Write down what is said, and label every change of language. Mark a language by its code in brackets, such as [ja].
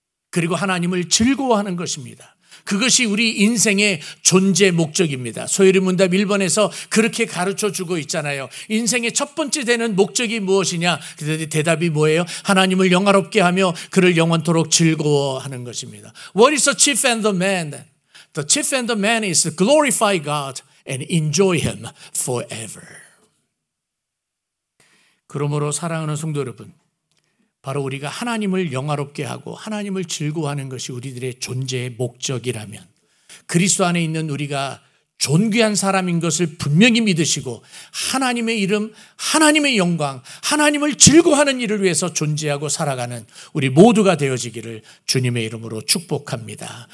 [ko] 그리고 하나님을 즐거워하는 것입니다. 그것이 우리 인생의 존재 목적입니다. 소요리 문답 1번에서 그렇게 가르쳐주고 있잖아요. 인생의 첫 번째 되는 목적이 무엇이냐? 대답이 뭐예요? 하나님을 영화롭게 하며 그를 영원토록 즐거워하는 것입니다. [en] What is the chief and the man? The chief and the man is to glorify God and enjoy him forever. [ko] 그러므로 사랑하는 성도 여러분, 바로 우리가 하나님을 영화롭게 하고 하나님을 즐거워하는 것이 우리들의 존재의 목적이라면 그리스도 안에 있는 우리가 존귀한 사람인 것을 분명히 믿으시고 하나님의 이름, 하나님의 영광, 하나님을 즐거워하는 일을 위해서 존재하고 살아가는 우리 모두가 되어지기를 주님의 이름으로 축복합니다.